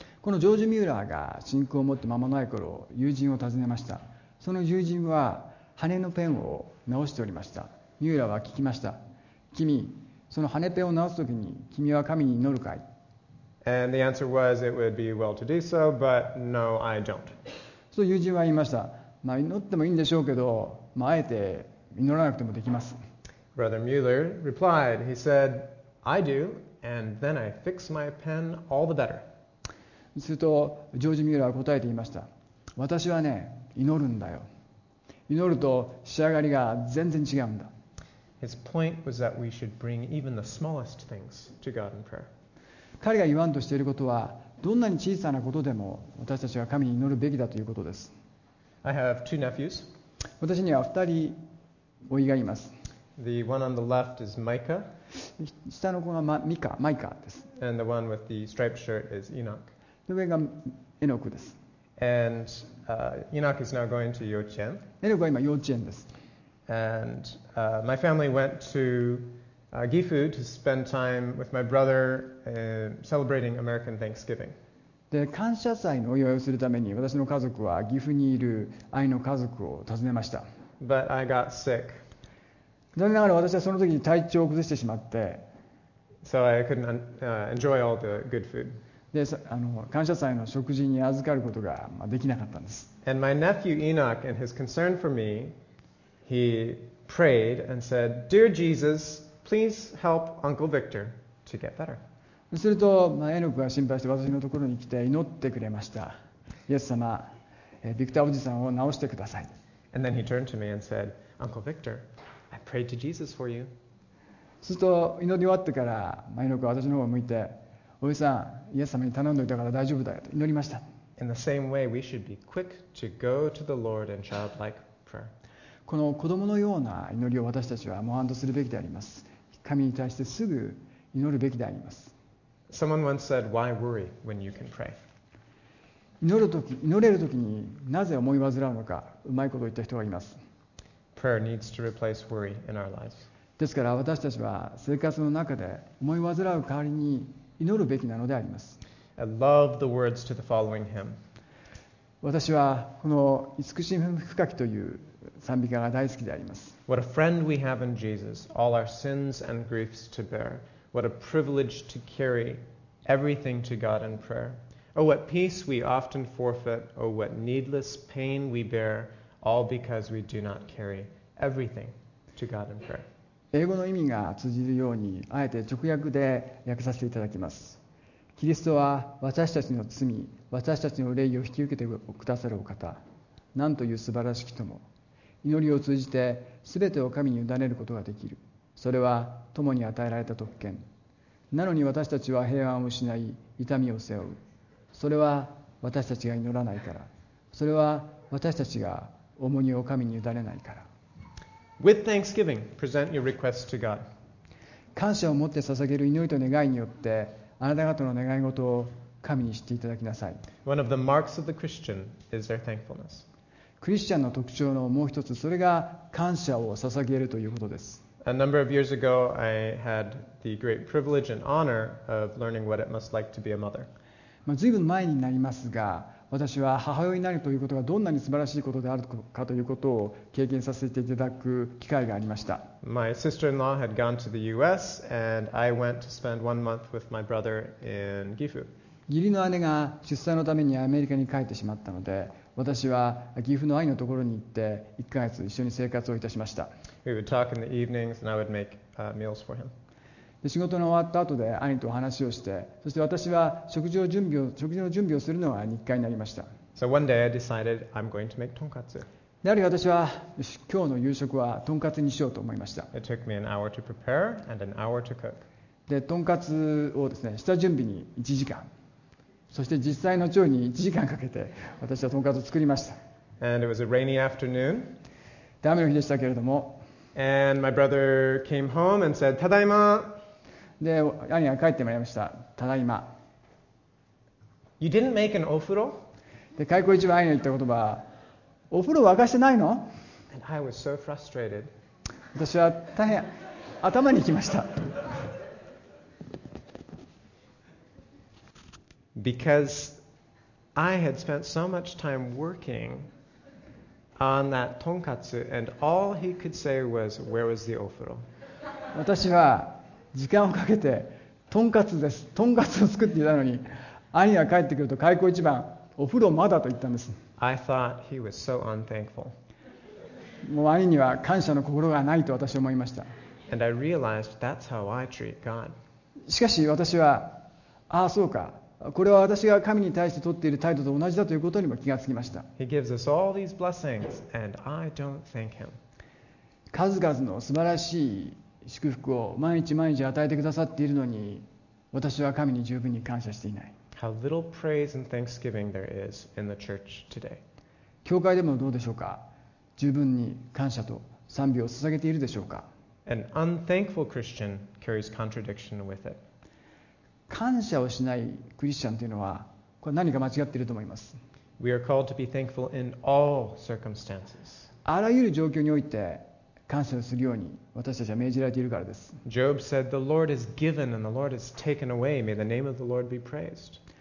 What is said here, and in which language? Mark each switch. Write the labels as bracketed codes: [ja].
[ja] このジョージ・ミューラーが信仰を持って間もない頃、友人を訪ねました。その友人は羽のペンを直しておりました。ミューラーは聞きました。君、その羽ペンを直すときに君は神に祈るかい? [en] And the answer was, it would be well to do so, but no, I don't. [ja] そう友人は言いました。まあ祈ってもいいんでしょうけど、まああえて祈らなくてもできます。 [en] Brother Mueller replied, he said, I do, and then I fix my pen all the better. [ja] するとジョージ・ミューラーは答えていました。私はね、祈るんだよ。祈ると仕上がりが全然違うんだ。 [en] His point was that we should bring even the smallest things to God in prayer. [ja] 彼が言わんとしていることは、どんなに小さなことでも私たちは神に祈るべきだということです。 [en] I have two nephews. [ja] 私には二人甥がいます。 [en] The one on the left is Micah. [ja] 下の子がマイカです。 [en] And the one with the striped shirt is Enoch. [ja] 上がエノクです。 [en] And Enoch is now going to 幼稚園。 [ja] エノクは今幼稚園です。 [en] And my family went to Gifu to spend time with my brother celebrating American Thanksgiving. [ja] で、感謝祭のお祝いをするために私の家族は岐阜にいる愛の家族を訪ねました。 [en] But I got sick. [ja] 残念ながら私はその時に体調を崩してしまって、 [en] So I couldn't enjoy all the good food. [ja] で、感謝祭の食事に預かることができなかったんです。 [en] And my nephew Enoch, in his concern for me, he prayed and said, Dear Jesus, please help Uncle Victor to get better. [ja] すると、まあ、エノクが心配して私のところに来て祈ってくれました。イエス様、ビクターおじさんを治してください。 [en] And then he turned to me and said, Uncle Victor, I prayed to Jesus for you. [ja] すると祈り終わってから、まあ、エノクは私の方を向いて、おじさん、イエス様に頼んでおいたから大丈夫だよと祈りました。 [en] In the same way, we should be quick to go to the Lord in childlike prayer. [ja] この子供のような祈りを私たちは模範とするべきであります。神に対してすぐ祈るべきであります。 [en] Someone once said, "Why worry when you can pray?" [ja] 祈れるときになぜ思い煩うのか、うまいことを言った人がいます。 [en] Prayer needs to replace worry in our lives. [ja] ですから私たちは生活の中で思い煩う代わりに祈るべきなのであります。 [en] I love the words to the following hymn. [ja] 私はこの慈しみ深きという賛美歌が大好きであります。 [en] What a friend we have in Jesus, all our sins and griefs to bear. What a privilege to carry everything to God in prayer. Oh, what peace we often forfeit. Oh, what needless pain we bear, all because we do not carry everything to God in prayer. [ja] 英語の意味が通じるようにあえて直訳で訳させていただきます。キリストは私たちの罪、私たちの霊を引き受けてくださるお方、なんという素晴らしき友、祈りを通じてすべてを神に委ねることができる。それは友に与えられた特権。なのに私たちは平安を失い、痛みを背負う。それは私たちが祈らないから。それは私たちが重荷を神に委ねないから。 [en] With thanksgiving, present your request to God. [ja] 感謝を持って捧げる祈りと願いによって、あなた方の願い事を神に知っていただきなさい。 [en] One of the marks of the Christian is their thankfulness. [ja] クリスチャンの特徴のもう一つ、それが感謝を捧げるということです。 [en] A number of years ago, I had the great privilege and honor of learning what it must like to be a mother. [ja] まあ、随分前になりますが、私は母親になるということがどんなに素晴らしいことであるかということを経験させていただく機会がありました。 [en] My sister-in-law had gone to the U.S. and I went to spend 1 month with my brother in Gifu. [ja] 義理の姉が出産のためにアメリカに帰ってしまったので、私は岐阜の兄のところに行って1ヶ月一緒に生活をいたしました。 [en] We would talk in the evenings and I would make meals for him. [ja] 仕事の終わった後で兄と話をして、そして私は食事の準備をするのが日課になりました。 [en] So one day I decided I'm going to make tonkatsu. [ja] やはり私は今日の夕食はとんかつにしようと思いました。 [en] It took me an hour to prepare and an hour to cook. [ja] で、とんかつをですね、下準備に1時間。そして実際の調理に1時間かけて私はとんかつを作りました。 [en] And it was a rainy afternoon. [ja] で、雨の日でしたけれども。 [en] And my brother came home and said, [ja] ただいま。で、兄が帰ってまいりました。ただいま。 [en] You didn't make an お風呂? [ja] で、開口一番兄の言った言葉、お風呂沸かしてないの? [en] And I was so frustrated. [ja] 私は大変頭にきました。 [en] Because I had spent so much time working on that tonkatsu, and all he could say was, "Where was the ofuro?" [ja] 私は時間をかけてとんかつです、とんかつを作っていたのに、兄が帰ってくると開口一番、お風呂まだと言ったんです。 [en] I thought he was so unthankful. [ja] もう兄には感謝の心がないと私は思いました。 [en] And I realized that's how I treat God. [ja] しかし私は、ああそうか。これは私が神に対して取っている態度と同じだということにも気がつきました。 [en] He gives us all these blessings, and I don't thank him. [ja] 数々の素晴らしい祝福を毎日毎日与えてくださっているのに、私は神に十分に感謝していない。 [en] How little praise and thanksgiving there is in the church today. [ja] 教会でもどうでしょうか。十分に感謝と賛美を捧げているでしょうか。 [en] An unthankful Christian carries contradiction with it. [ja] 感謝をしないクリスチャンというのは、これ何か間違っていると思います。 [en] We are called to be thankful in all circumstances. [ja] あらゆる状況において感謝をするように私たちは命じられているからです。 [en] Job said, "The Lord is given and the Lord is taken away. May the name of the Lord be praised."